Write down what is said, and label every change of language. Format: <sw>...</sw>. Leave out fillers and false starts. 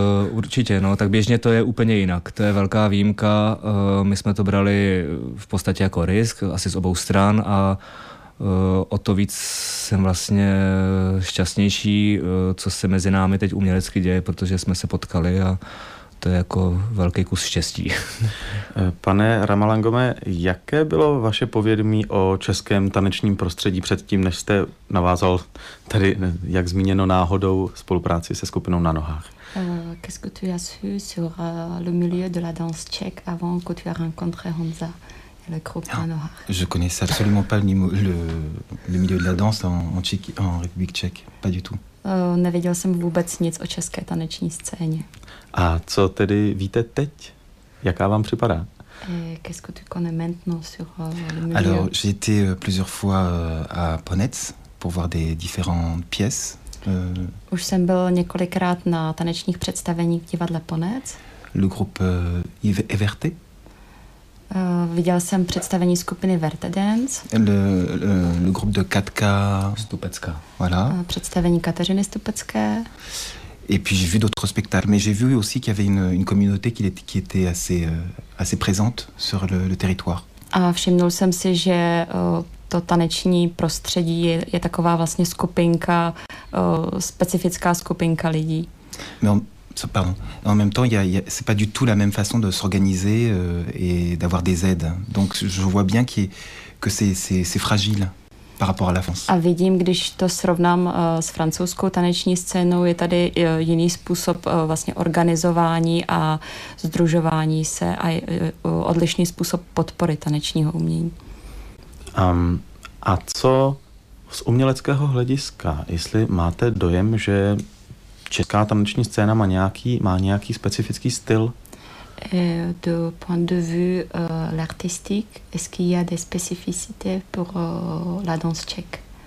<cs>Určitě, no, tak běžně to je úplně jinak. To je velká výjimka, my jsme to brali v podstatě jako risk, asi z obou stran, a o to víc jsem vlastně šťastnější, co se mezi námi teď umělecky děje, protože jsme se potkali a to je jako velký kus štěstí. Pane Ramalengome, jaké bylo vaše povědomí o českém tanečním prostředí předtím, než jste navázal tady, jak zmíněno, náhodou spolupráci se skupinou Na nohách?</cs> <fr>Qu'est-ce que tu as su sur le milieu de la danse tchèque avant que tu aies rencontré Honza et le groupe Na nohách? Je connaissais absolument pas le milieu de la danse en République tchèque, pas du tout.</fr> <cs>Nevěděl jsem vůbec nic o české taneční scéně. A co tedy víte teď? Jaká vám připadá?</cs> <fr>Qu'est-ce que tu connais maintenant sur le milieu? Alors, j'ai été plusieurs fois à Ponets pour voir des différentes pièces.</fr> <cs>Už jsem byl několikrát na tanečních představeních v divadle Ponets.</cs> <fr>Le groupe Everté.</fr> <cs>Viděl jsem představení skupiny Verte Dance.</cs> <fr>Le groupe de Katka Stupecka. Voilà.</fr> <cs>Představení Kateřiny Stupecké.</cs> <fr>Et puis j'ai vu d'autres spectacles, mais j'ai vu aussi qu'il y avait une communauté qui était assez présente sur le territoire.</fr> <cs>A všimnul jsem si, že to taneční prostředí je taková vlastně skupinka, specifická skupinka lidí. Pardon.</cs> <fr>En même temps, c'est pas du tout la même façon de s'organiser et d'avoir des aides. Donc je vois bien que c'est fragile par rapport à la France.</fr> <cs>A vidím, když to srovnám s francouzskou taneční scénou, je tady jiný způsob vlastně organizování a združování se a odlišný způsob podpory tanečního umění. A co z uměleckého hlediska? Jestli máte dojem, že česká taneční scéna má nějaký specifický styl?</cs> <fr>De point de vue l'artistique, est-ce qu'il y a des spécificités pour la danse tchèque?</fr>